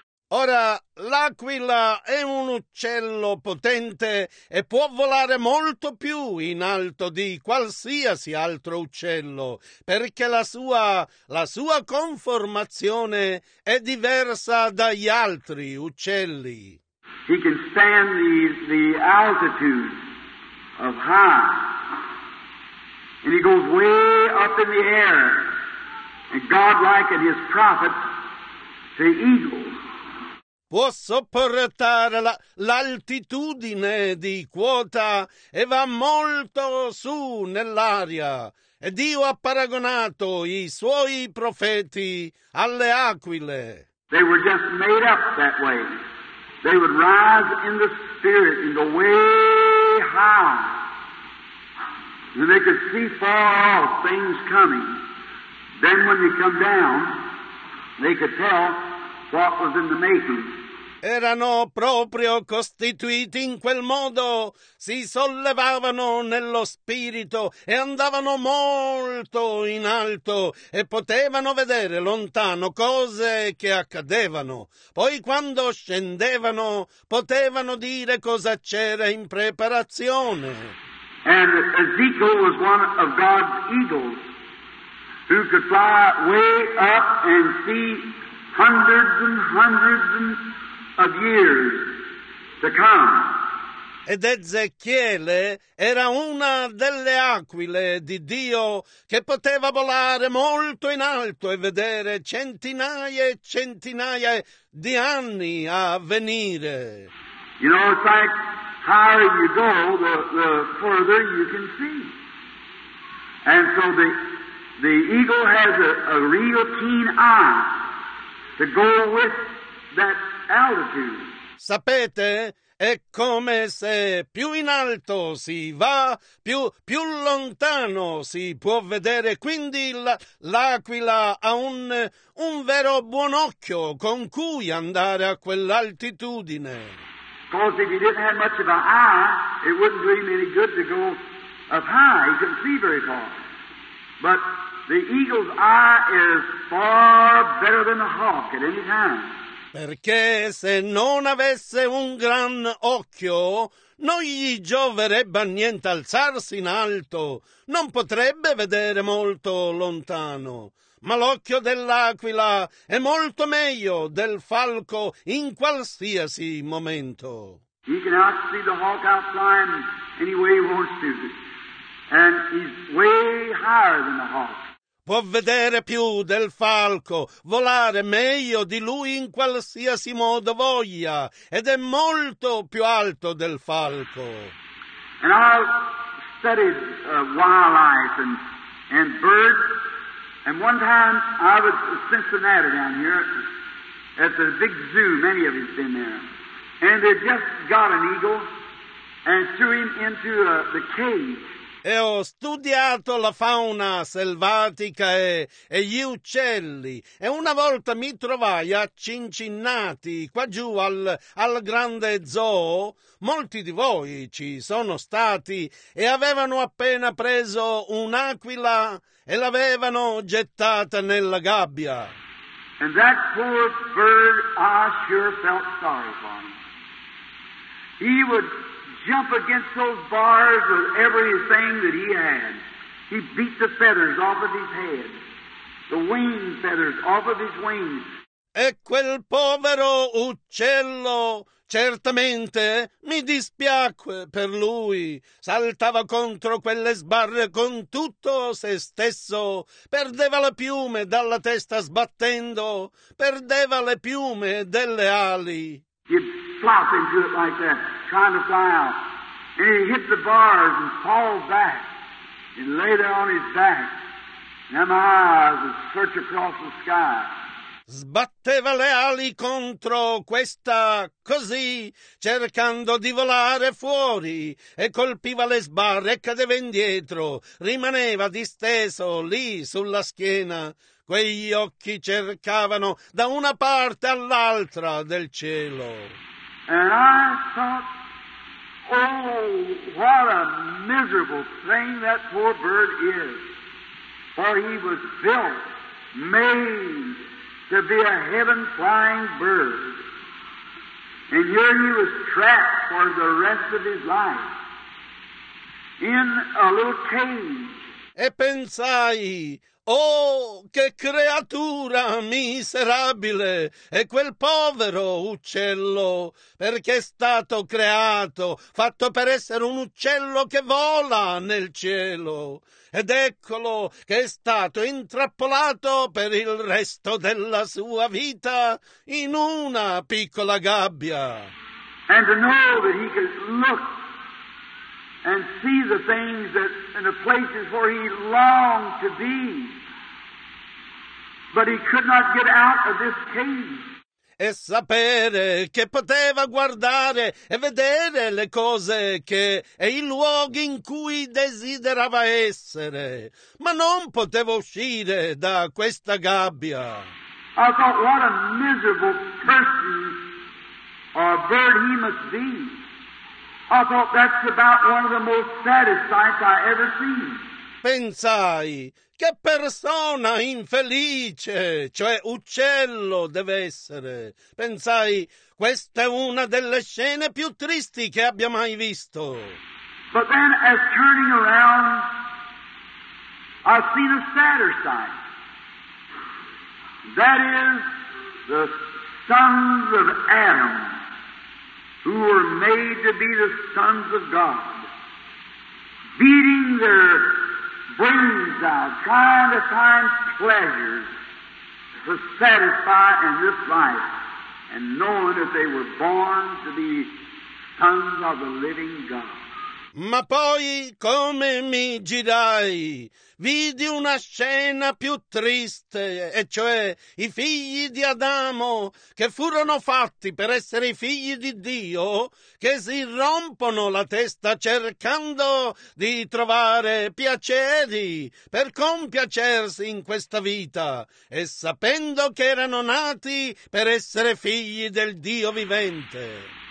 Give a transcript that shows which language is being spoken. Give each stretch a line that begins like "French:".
Italian: Ora, l'aquila è un uccello potente e può volare molto più in alto di qualsiasi altro uccello, perché la sua conformazione è diversa dagli altri uccelli.
English: He can stand the altitude of high, and he goes way up in the air, and God-like and his prophet, the eagle.
Italian: Può sopportare l'altitudine di quota e va molto su nell'aria. E Dio ha paragonato i suoi profeti alle aquile.
English: They were just made up that way. They would rise in the spirit and go way high. And they could see far off things coming. Then when they come down, they could tell what was in the making.
Italian: Erano proprio costituiti in quel modo, si sollevavano nello spirito e andavano molto in alto e potevano vedere lontano cose che accadevano. Poi quando scendevano, potevano dire cosa c'era in preparazione.
English: And Ezekiel was one of God's eagles who could fly way up and see hundreds and hundreds and of years to come.
Italian: Ed Ezechiele era una delle aquile di Dio che poteva volare molto in alto e vedere centinaia e centinaia di anni a venire.
English: You know, it's like higher you go, the further you can see. And so the eagle has a real keen eye to go with that.
Italian: Sapete, è come se più in alto si va, più lontano si può vedere. Quindi l'aquila ha un vero buon occhio con cui andare a quell'altitudine.
English: Because if he didn't have much of an eye, it wouldn't do him any good to go up high. He couldn't see very far. But the eagle's eye is far better than a hawk at any time.
Italian: Perché se non avesse un gran occhio, non gli gioverebbe a niente alzarsi in alto, non potrebbe vedere molto lontano. Ma l'occhio dell'aquila è molto meglio del falco in qualsiasi momento.
English: He can see the hawk out flying any way he wants to, and he's way higher than the hawk.
Italian: Può vedere più del falco, volare meglio di lui in qualsiasi modo voglia, ed è molto più alto del falco.
English: And I've studied wildlife and birds, and one time I was in Cincinnati down here, at the big zoo, many of you have been there, and they just got an eagle and threw him into the cage.
Italian: E ho studiato la fauna selvatica e gli uccelli. E una volta mi trovai a Cincinnati, qua giù al grande zoo. Molti di voi ci sono stati e avevano appena preso un'aquila e l'avevano gettata nella gabbia.
English: And that poor bird I sure felt sorry for him. He would jump against those bars with everything that he had. He beat the feathers off of his head, the wing feathers off of his wings.
Italian: E quel povero uccello, certamente, mi dispiacque per lui. Saltava contro quelle sbarre con tutto se stesso. Perdeva le piume dalla testa sbattendo. Perdeva le piume delle ali.
English: He'd flop into it like that, trying to fly out. And he hit the bars and fall back. And lay there on his back. And my eyes would search across the sky.
Italian: Sbatteva le ali contro questa così, cercando di volare fuori, e colpiva le sbarre e cadeva indietro, rimaneva disteso lì sulla schiena, quegli occhi cercavano da una parte all'altra del cielo.
English: And I thought, oh, what a miserable thing that poor bird is, for he was built, made to be a heaven-flying bird. And here he was trapped for the rest of his life in a little cage.
Italian: E pensai, oh, che creatura miserabile è quel povero uccello, perché è stato creato, fatto per essere un uccello che vola nel cielo. Ed eccolo che è stato intrappolato per il resto della sua vita in una piccola gabbia.
English: And to know that he could look and see the things that in the places where he longed to be. But he could not get out of this cage.
Italian: E sapere che poteva guardare e vedere le cose che e i luoghi in cui desiderava essere, ma non poteva uscire da questa gabbia.
English: I thought, what a miserable person or bird he must be. I thought, that's about one of the most saddest sights I ever seen.
Italian: Pensai, che persona infelice, cioè uccello deve essere. Pensai, questa è una delle scene più tristi che abbia mai visto.
English: But then, as turning around, I've seen a sadder sight. That is the sons of Adam, who were made to be the sons of God, beating their brings out, trying to find pleasures to satisfy in this life, and knowing that they were born to be sons of the living God.
Italian: Ma poi, come mi girai, vidi una scena più triste, e cioè i figli di Adamo, che furono fatti per essere i figli di Dio, che si rompono la testa cercando di trovare piaceri per compiacersi in questa vita, e sapendo che erano nati per essere figli del Dio vivente.